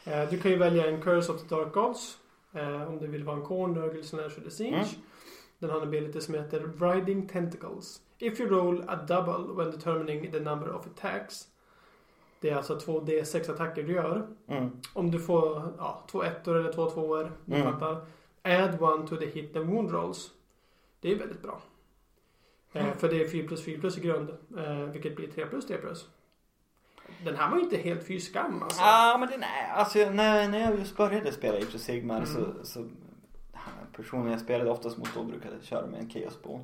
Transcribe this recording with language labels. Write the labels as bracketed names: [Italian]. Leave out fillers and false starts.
[Swedish] Du kan ju välja en Curse of the Dark Gods. Om du vill vara en Khorne, Nurgle, Slash or the Siege. Den har en ability som heter [English] Riding Tentacles. If you roll a double when determining the number of attacks... [Swedish] Det är alltså 2 D6 attacker du gör. Mm. Om du får 2 ettor eller 2 tvåor. [English] Add one to the hit and wound rolls. [Swedish] Det är väldigt bra. För det är 4 plus 4 plus i grund. Vilket blir 3 plus 3 plus. Den här var ju inte helt fyskam. Alltså. Ja, men den är... Alltså, när jag just började spela Age of Sigmar så personen jag spelade oftast mot då brukade köra med en Chaos Ball.